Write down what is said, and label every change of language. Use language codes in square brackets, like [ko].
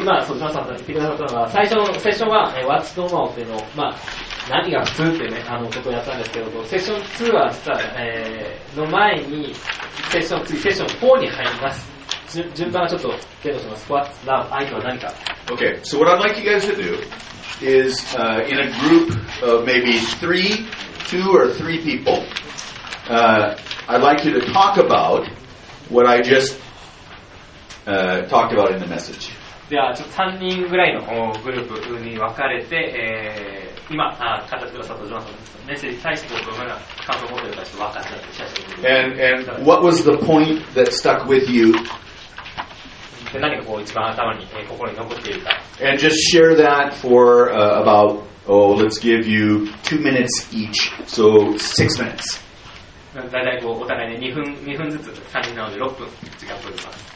[ja] まあ、そう、皆さんたち、ピクナさんとは、最初のセッションは、What's Normal っていうのを、まあ、何が普通ってね、ことをやったんですけど、セッション2は実は、の前に、セッション4に入ります。順番はちょっと、検討します。 [en] What's Love? [ja] 愛とは何か。 [en] Okay, so what I'd like you guys to do is, in a group of maybe two or three people, I'd like you to talk about what I just talked about in the message. [ja] ではちょっと3人ぐらいのグループに分かれて、今、カタクロサとジョナサのメッセージに対してどのような感想を持っているかちょっと分かっていただきたいと思います。 [en] And what was the point that stuck with you? [ja] で何がこう一番頭に、心に残っているか。 [en] And just share that for about, oh, let's give you 2 minutes each, so 6 minutes. [ja] だいたいこうお互いね2分ずつ3人なので6分時間取ります。